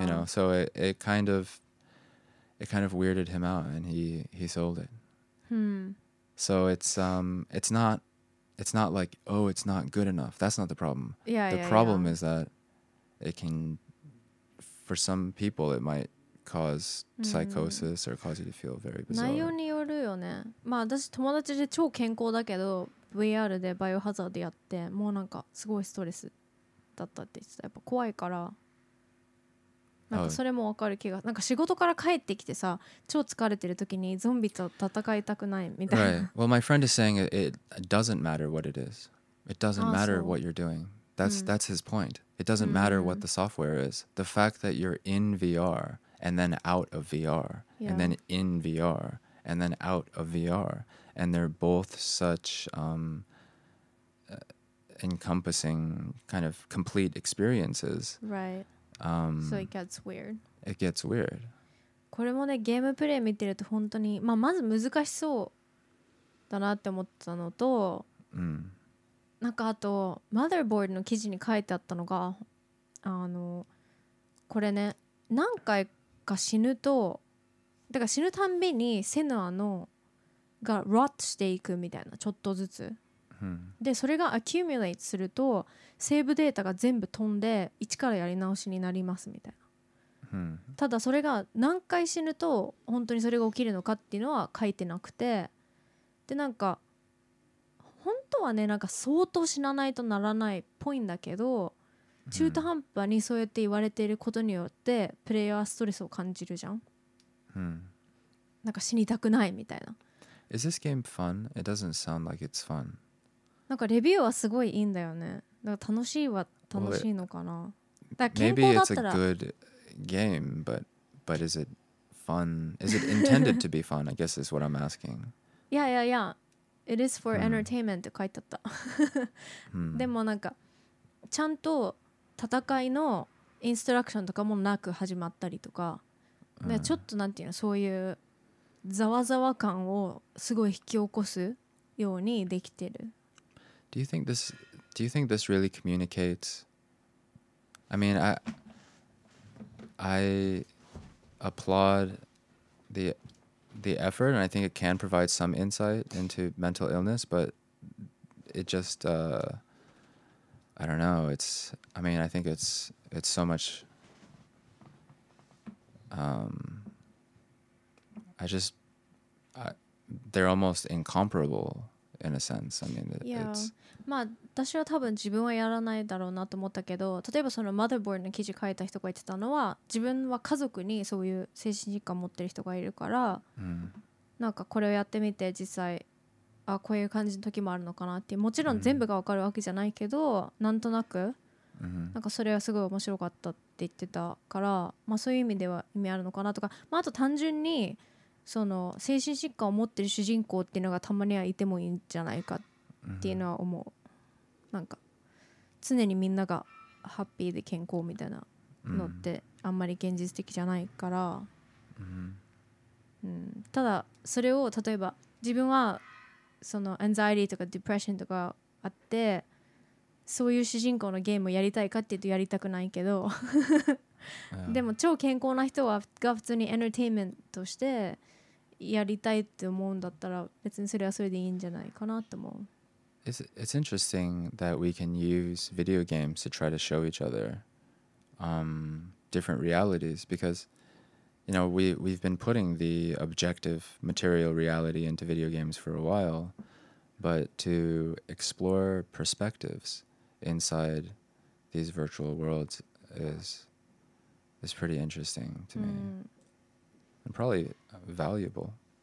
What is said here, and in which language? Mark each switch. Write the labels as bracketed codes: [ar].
[en] You know, so it kind of weirded him out, and he sold it. So it's not like, oh, it's not good enough. That's not the problem. Yeah. The problem is that it can, for some people, it might cause psychosis or cause you to feel very bizarre. [ja] 内容によるよね。まあ私友達で超健康だけど。VR でバイオハザードやってもうなんかすごいストレスだったって言ってた。やっぱ怖いから、なんかそれもわかる気が、なんか仕事から帰ってきてさ、超疲れてる時にゾンビと戦いたくないみたいな。 [en] Right. Well, my friend is saying it doesn't matter what it is. It doesn't matter what you're doing. That's his point. It doesn't matter what the software is. The fact that you're in VR and then out of VR and then in VR and then out of VR, and they're both such encompassing, kind of complete experiences. Right. So it gets weird. It gets weird. [ja] これもね、ゲームプレイ見てると本当に、まあ、まず難しそうだなって思ったのと、なんかあと、Motherboard の記事に書いてあったのが、これね、何回か死ぬと、だから死ぬたんびにセヌアのがロットしていくみたいな、ちょっとずつ、でそれがアキュミュレートするとセーブデータが全部飛んで一からやり直しになりますみたいな、ただそれが何回死ぬと本当にそれが起きるのかっていうのは書いてなくて、でなんか本当はね、なんか相当死なないとならないっぽいんだけど、中途半端にそうやって言われていることによってプレイヤーストレスを感じるじゃん。なんか死にたくないみたいな。 [en] Is this game fun? It doesn't sound like it's fun. [ja] なんかレビューはすごいいいんだよね。だから楽しいは楽しいのかな。だから健康だったら。 [en] Maybe it's a good game, but is it fun? Is it intended to be fun? I guess is what I'm asking. Yeah, yeah, yeah. It is for entertainment [ja] って書いてあった。でもなんかちゃんと戦いのインストラクションとかもなく始まったりとか、ちょっとなんていうの、そういうざわざわ感をすごい引き起こすようにできてる。 [en] Do you think this really communicates? I mean, I applaud the effort, and I think it can provide some insight into mental illness, but it just, I don't know. I think it's so much, they're almost incomparable in a sense. I mean, [ja] まあ、私は多分自分はやらないだろうなと思ったけど、例えばそのマザーボードの記事書いた人が言ってたのは、自分は家族にそういう精神疾患持ってる人がいるから、 mm. なんかこれをやってみて実際あこういう感じの時もあるのかなって、もちろん全部が分かるわけじゃないけど、mm. なんとなく、 mm. なんかそれはすごい面白かったって言ってたから、まあ、そういう意味では意味あるのかなとか、まあ、あと単純にその精神疾患を持ってる主人公っていうのがたまにはいてもいいんじゃないかっていうのは思う。なんか常にみんながハッピーで健康みたいなのってあんまり現実的じゃないから、うん、ただそれを例えば自分はそのアンザイティとかディプレッションとかあって、そういう主人公のゲームをやりたいかっていうとやりたくないけどでも超健康な人はが普通にエンターテインメントとしてやりたいって思うんだったら、別にそれはそれでいいんじゃないかなと思う。 [en] It's interesting that we can use video games to try to show each other different realities, because you know we've been putting the objective material reality into video games for a while, but to explore perspectives inside these virtual worlds is pretty interesting to me and probably valuable.